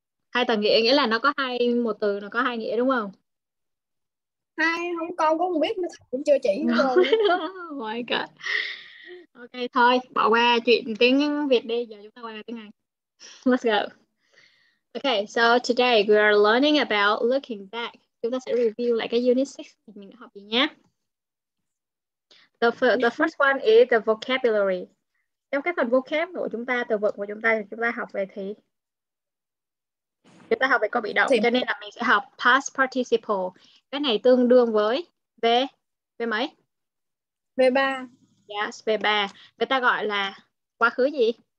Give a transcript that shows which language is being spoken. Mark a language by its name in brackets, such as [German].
[Vietnamese] Hai tầng nghĩa nghĩa là nó có hai, một từ nó có hai nghĩa đúng không? Hai không, con cũng không biết nữa, cũng chưa chỉ Đúng. cho luôn. Ngoài cả. Ok thôi, bỏ qua chuyện tiếng Việt đi, giờ chúng ta qua tiếng Anh. [English] Let's go. Okay, so today we are learning about looking back. [Vietnamese] Chúng ta sẽ review lại cái unit 6 mình đã học gì nhé. [English] The first one is the vocabulary. [Vietnamese] Trong cái phần vocab của chúng ta, từ vựng của chúng ta thì chúng ta học về thì chúng ta học về câu bị động, cho nên là mình sẽ học past participle. Cái này tương đương với về về mấy? Về ba [English] Yes, [Vietnamese] về ba. Người ta gọi là quá khứ gì?